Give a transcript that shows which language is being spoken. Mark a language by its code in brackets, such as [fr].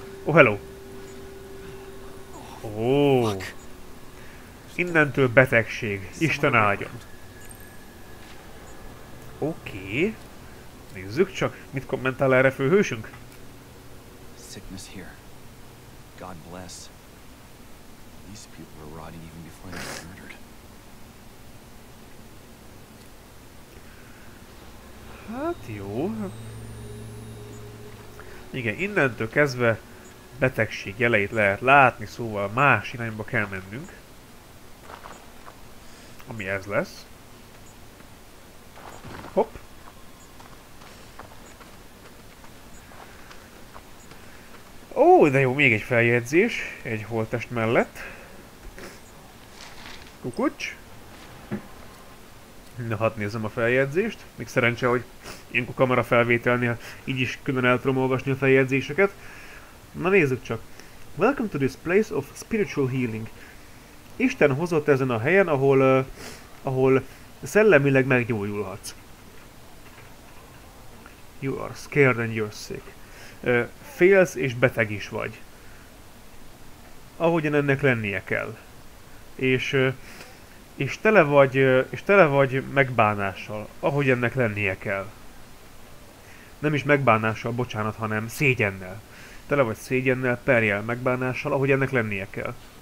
[en] Oh, hello! [hu] Ó! Oh. Innentől betegség. Isten áldjon. Oké. Okay. Nézzük csak, mit kommentál erre főhősünk? [en] Sickness here. God bless. These people were rotting even before they were murdered. [hu] Hát jó. Igen, innentől kezdve betegség jeleit lehet látni, szóval más irányba kell mennünk. Ami ez lesz. Hopp. Ó, de jó, még egy feljegyzés. Egy holttest mellett. Kukucs. Na, hadd nézem a feljegyzést. Még szerencse, hogy én kamera felvételnél így is külön el tudom olvasni a feljegyzéseket. Na, nézzük csak. [en] Welcome to this place of spiritual healing. [hu] Isten hozott ezen a helyen, ahol ahol szellemileg meggyógyulhatsz. [en] You are scared and you're sick. [hu] Félsz és beteg is vagy. Ahogyan ennek lennie kell. És tele vagy megbánással, ahogy ennek lennie kell. Nem is megbánással, bocsánat, hanem szégyennel. Tele vagy szégyennel, perjel megbánással, ahogy ennek lennie kell.